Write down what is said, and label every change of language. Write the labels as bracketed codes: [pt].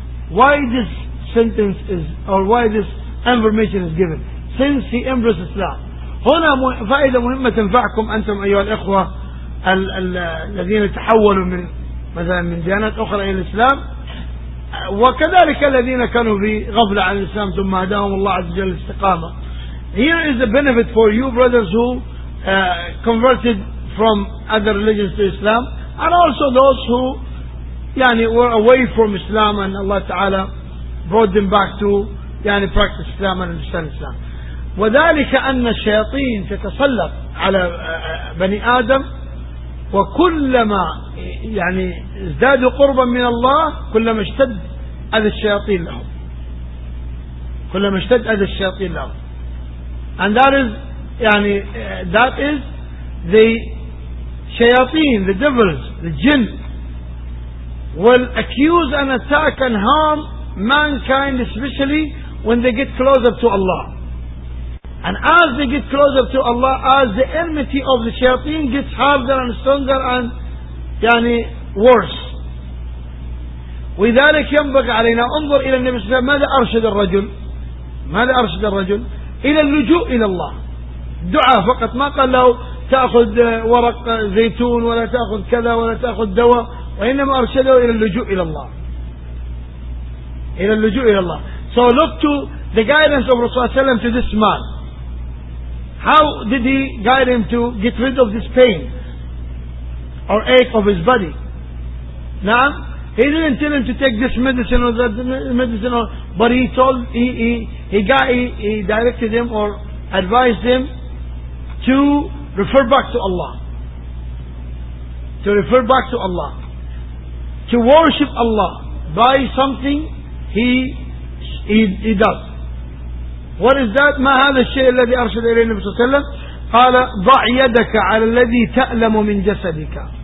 [en] Why this sentence is or why this information is given? Since he embraced Islam. [ar] هنا فائدة مهمة تنفعكم أنتم أيها الأخوة الذين تحولوا من مثلا من ديانات أخرى إلى الإسلام، وكذلك الذين كانوا في غفلة عن الإسلام ثم هداهم الله عز وجل الاستقامة. [en] Here is a benefit for you brothers who converted from other religions to Islam, and also those who يعني were away from Islam and Allah Ta'ala brought them back to يعني practice Islam and understand Islam. [ar] وذلك أن الشياطين تتسلط على بني آدم، وكلما يعني ازدادوا قربا من الله كلما اشتد أذى الشياطين لهم، كلما اشتد أذى الشياطين لهم. [en] And that is يعني that is the shayateen, the devils, the jinn will accuse and attack and harm mankind, especially when they get closer to Allah. And as they get closer to Allah, as the enmity of the shayateen gets harder and stronger and يعني worse. [ar] وذلك ينبغي علينا انظر إلى النبي صلى الله عليه وسلم ماذا أرشد الرجل، ماذا أرشد الرجل إلى اللجوء إلى الله، دعاء فقط، ما قال له تأخذ ورق زيتون ولا تأخذ كذا ولا تأخذ دواء، وإنما أرشده إلى اللجوء إلى الله، إلى اللجوء إلى الله. [en] So look to the guidance of Rasulullah [ar] صلى الله عليه وسلم [en] to this man. How did he guide him to get rid of this pain or ache of his body? [ar] نعم. [en] He didn't tell him to take this medicine or that medicine, but he told he directed him or advised him to refer back to Allah, to refer back to Allah, to worship Allah by something he does. What is that? [ar] ما هذا الشيء الذي أرشد إليه النبي صلى الله عليه وسلم؟ قال ضع يدك على الذي تألم من جسدك.